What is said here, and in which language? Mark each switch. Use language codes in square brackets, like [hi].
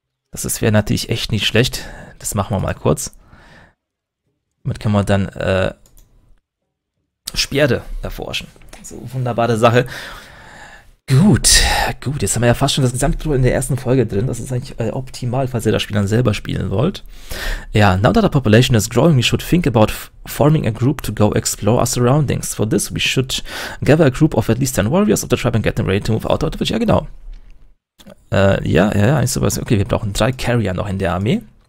[de] Das wäre natürlich echt nicht schlecht. Das machen wir mal kurz. Damit können wir dann Speerde erforschen. So, wunderbare Sache. Gut, gut. Jetzt haben wir ja fast schon das Gesamtprodukt in der ersten Folge drin. Das ist eigentlich optimal, falls ihr das Spiel dann selber spielen wollt. [en] Ja, now that our population is growing, we should think about forming a group to go explore our surroundings. For this, we should gather a group of at least 10 warriors of the tribe and get them ready to move out of the village. [de] Ja, genau. Ja, ich weiß, okay, wir brauchen 3 Carrier noch in der Armee.